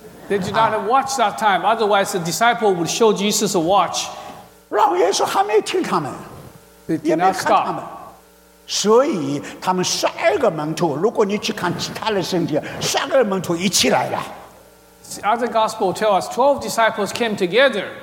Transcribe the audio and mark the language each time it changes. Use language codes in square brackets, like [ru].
[en] They did not have watch that time. Otherwise, the disciple would show Jesus a watch. [zh] 让耶稣还没听他们， [en] they did not [zh] 也没看他们。所以他们12门徒，如果你去看其他的圣经，12门徒一起来了。 [en] The other gospel tells us 12 disciples came together.